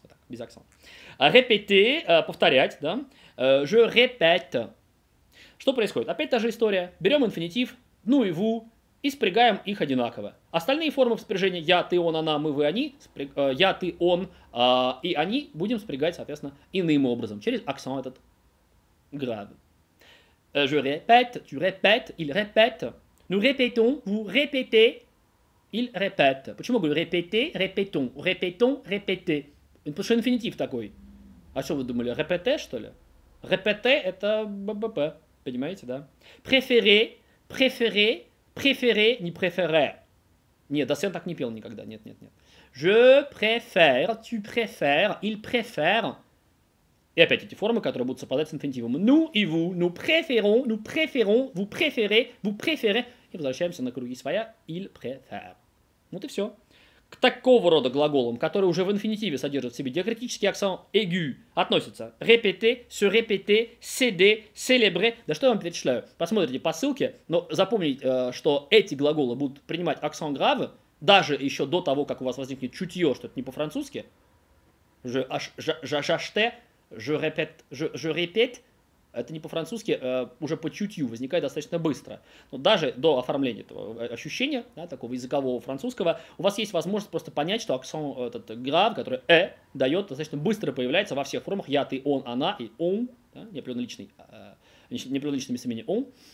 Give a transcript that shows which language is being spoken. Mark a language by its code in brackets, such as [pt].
[ru] Вот так, без акцента. Répéter, повторять, да. [fr] Je répète. [ru] Что происходит? Опять та же история. Берем инфинитив, ну и ву, и спрягаем их одинаково. Остальные формы спряжения я, ты, он, она, мы, вы, они, я, ты, он и они будем спрягать, соответственно, иным образом, через аксон этот grave. [fr] Je répète, tu répètes, il répète. Nous répétons, vous répétez, il répète. [ru] Почему говорю répéter, répétons, répétons, répéter? Потому что инфинитив такой. А что вы думали, répéter, что ли? Répéter, это ббп, понимаете, да? [fr] Préférer, préférer, préférer, не préférer. [ru] Нет, Дасен так не пел никогда, нет, нет, нет. [fr] Je préfère, tu préfères, il préfère. [ru] И опять эти формы, которые будут совпадать с инфинитивом. Ну и ву, ну [fr] préférons, ну préférons, vous préférez, vous préférez. [ru] И возвращаемся на круги своя, [fr] il préfère. [ru] Вот и все. К такого рода глаголам, которые уже в инфинитиве содержат в себе диакритический акцент aigu, относятся répéter, se répéter, céder, célébrer. Да что я вам перечисляю? Посмотрите по ссылке, но запомните, что эти глаголы будут принимать акцент grave, даже еще до того, как у вас возникнет чутье, что это не по-французски. [fr] J'achète, je répète, je répète. [ru] Это не по-французски, уже по чутью возникает достаточно быстро. Но даже до оформления этого ощущения, да, такого языкового французского, у вас есть возможность просто понять, что акцент этот grave, который «э» дает, достаточно быстро появляется во всех формах «я», «ты», «он», «она» и «он», да, неопределённый личный местоимение «он».